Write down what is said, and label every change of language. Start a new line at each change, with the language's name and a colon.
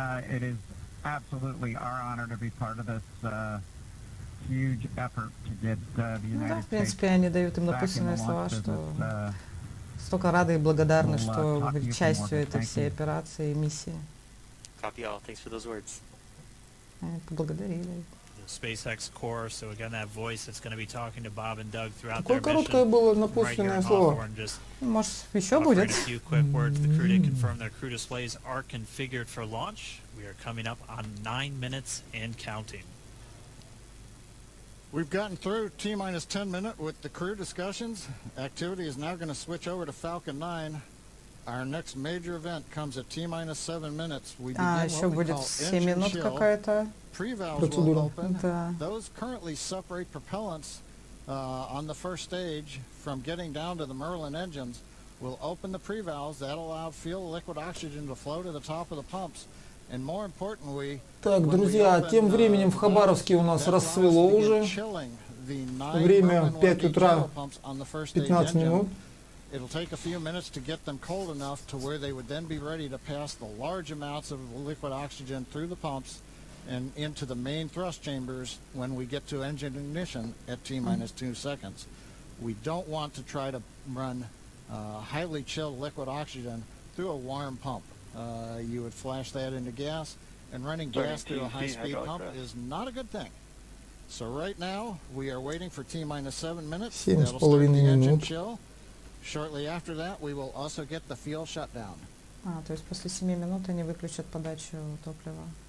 English: It is absolutely our honor to be part of this huge effort to get the United States.
Russian: Да, в принципе, они дают им написанные слова, что столько рады и благодарны, что вы частью этой всей операции и миссии.
English: Copy all. Thanks for those words.
Russian: Поблагодарили.
English: SpaceX core, so again that voice that's going to be talking to Bob and Doug throughout their mission.
Russian: Какое короткое было напутственное слово. Может, еще будет?
English: A few quick words. The crew did confirm their crew displays are configured for launch. We are coming up on 9 minutes and counting. We've gotten through T-minus 10 minute with the crew discussions. Activity is now going to switch over to Falcon 9. Our next major event comes at T-minus 7 minutes. We begin
Russian: еще будет 7 минут какая-то.
English: Pre-valves will open. Those currently separate propellants on the first stage from getting down to the Merlin engines, we'll open the pre-valves that allow fuel liquid oxygen to flow to the top of the pumps. And more importantly,
Russian: так, друзья, тем временем в Хабаровске у нас рассвело уже. Время 5 утра 15 минут.
English: It'll take a few minutes to get them cold enough to where they would then be ready to pass the large amounts of liquid oxygen through the pumps and into the main thrust chambers when we get to engine ignition at T-minus 2 seconds. We don't want to try to run highly chilled liquid oxygen through a warm pump. You would flash that into gas, and running gas through a high-speed pump is not a good thing. So right now, we are waiting for T-minus 7 minutes. That'll start the engine chill. Shortly after that, we will also get the fuel shut down.
Russian: То есть после 7 минут они выключат подачу топлива.